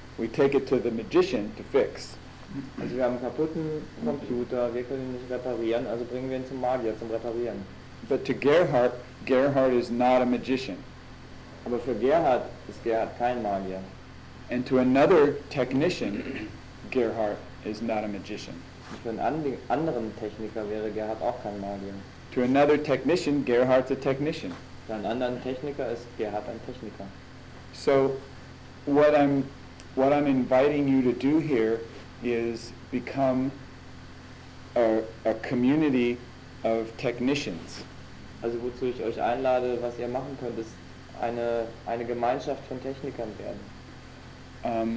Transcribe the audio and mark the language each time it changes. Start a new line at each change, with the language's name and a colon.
English: We take it to the magician to fix.
German: Also wir haben einen kaputten Computer. Wir können ihn nicht reparieren. Also bringen wir ihn zum Magier zum Reparieren.
English: But to Gerhard, Gerhard is not a magician.
German: Aber für Gerhard ist Gerhard kein Magier.
English: And to another technician, Gerhard is not a magician.
German: Und für einen anderen Techniker wäre Gerhard auch kein Magier.
English: To another technician, Gerhard's a technician.
German: Für einen anderen Techniker ist Gerhard ein Techniker.
English: So, what I'm inviting you to do here is become a community of technicians.
German: Also wozu ich euch einlade, was ihr machen könnt, ist eine Gemeinschaft von Technikern werden.